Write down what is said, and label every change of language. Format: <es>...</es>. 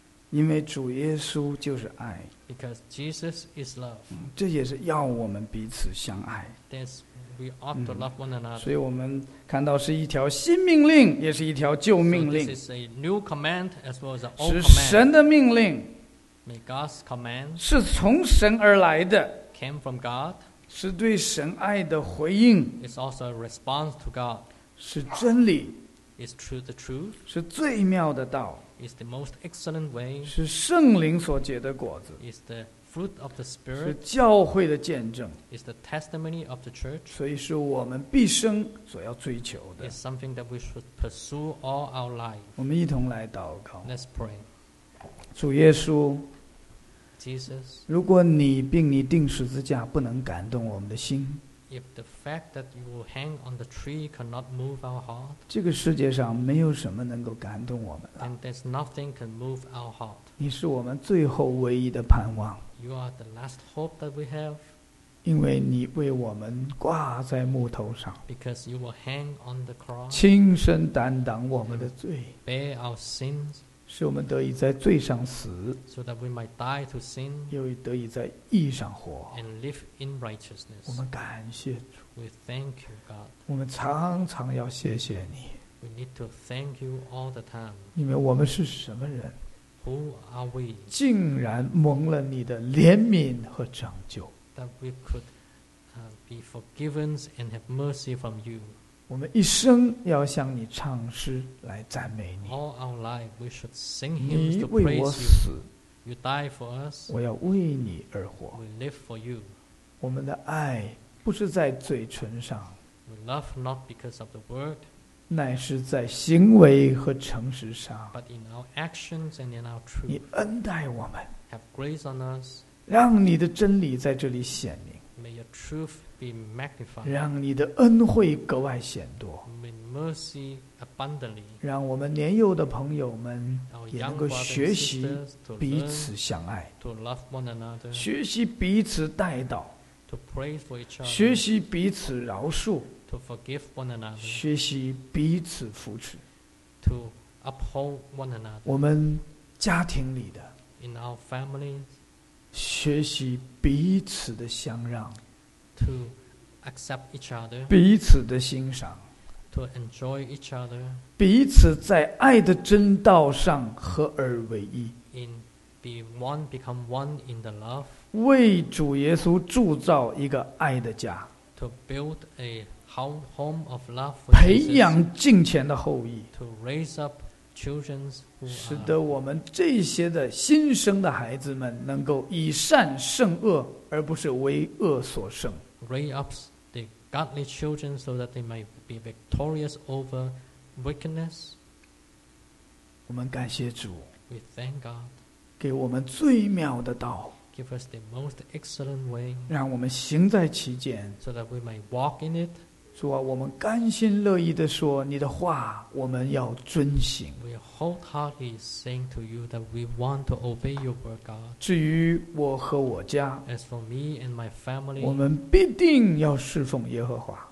<zh>因为主耶稣就是爱。</zh> <en>Because Jesus is love.</en> <zh>这也是要我们彼此相爱。</zh> <en>We ought to love one another.</en> <zh>所以我们看到是一条新命令，也是一条旧命令。</zh> <en>So、this is a new command as well as an old command.</en> <zh>是神的命令。</zh> <en>May God's command.</en> <zh>是从神而来的。</zh> <en>Came from God.</en> <zh>是对神爱的回应。</zh> <en>It's also a response to God.</en> <zh>是真理。</zh> <en>It's true the truth.</en> <zh>是最妙的道。</zh> <en>It's the most excellent way.</en> <zh>是圣灵所结的果子。</zh> <en>It's the fruit of the spirit</en> <zh>是教会的见证</zh> <en>is the testimony of the church</en> <zh>所以是我们毕生所要追求的</zh> <en>is something that we should pursue all our life</en> <zh>我们一同来祷告</zh> <en>let's pray</en> <zh>主耶稣</zh> <en>Jesus</en> <zh>如果你并你钉十字架不能感动我们的心</zh> <en>if the fact that you will hang on the tree cannot move our heart</en> <zh>这个世界上没有什么能够感动我们了</zh> <en>then there's nothing can move our heart</en> <zh>你是我们最后唯一的盼望</zh> <en>You are the last hope that we have.</en> <zh>因为你为我们挂在木头上。</zh> <en>Because you will hang on the cross.</en> <zh>亲身担当我们的罪。</zh> <en>Bear our sins.</en> <zh>使我们得以在罪上死。</zh> <en>So that we might die to sin.</en> <zh>又得以在义上活。</zh> <en>And live in righteousness.</en> <zh>我们感谢主。</zh> <en>We thank you, God.</en> <zh>我们常常要谢谢你。</zh> <en>We need to thank you all the time.</en> <zh>因为我们是什么人？</zh> <en>Who are we?</en> <zh>竟然蒙了你的怜悯和拯救。</zh> <en>That we could be forgiven and have mercy from you.</en> <zh>我们一生要向你唱诗来赞美你。</zh> <en>All our life we should sing hymns to praise you.</en> <zh>你为我死。</zh> <en>You die for us.</en> <zh>我要为你而活。</zh> <en>We live for you.</en> <zh>我们的爱不是在嘴唇上。</zh> <en>We love not because of the word.</en> <zh>乃是在行为和诚实上</zh> <en>But in our actions and in our truth,</en> <zh>你恩待我们</zh> <en>Have grace on us.</en> <zh>让你的真理在这里显明。</zh> <en>May your truth be magnified.</en> <zh>让你的恩惠格外显多。</zh> <en>May mercy abundantly.</en> <zh>让我们年幼的朋友们也能够学习彼此相爱。</zh> <en>To love one another.</en> <zh>学习彼此代祷。</zh> <en>To pray for each other.</en> <zh>学习彼此饶恕。</zh> <en>To forgive one another.</en> <zh>学习彼此扶持。</zh> <en>To uphold one another.</en> <zh>我们家庭里的。</zh> <en>In our family.</en> <zh>学习彼此的相让。</zh> <en>To accept each other.</en> <zh>彼此的欣赏。</zh> <en>To enjoy each other.</en> <zh>彼此在爱的真道上合而为一。</zh> <en>In be one, become one in the love.</en> <zh>为主耶稣铸造一个爱的家。</zh> <en>To build a home of love.</en> <zh>培养敬虔的后裔。</zh> <en>To raise up.</en> <zh>使得我们这些的新生的孩子们能够以善胜恶，而不是为恶所胜。</zh> <en>Raise up the godly children so that they may be victorious over wickedness.</en> <zh>我们感谢主。</zh> <en>We thank God.</en> <zh>给我们最妙的道。</zh> <en>Give us the most excellent way.</en> <zh>让我们行在其间。</zh> <en>So that we may walk in it.</en> <zh>主啊，我们甘心乐意地说你的话，我们要遵行。</zh> <en>We wholeheartedly sing to you that we want to obey your word, God.</en> <zh>至于我和我家</zh> <en>，As for me and my family,</en> <zh>我们必定要侍奉耶和华。</zh>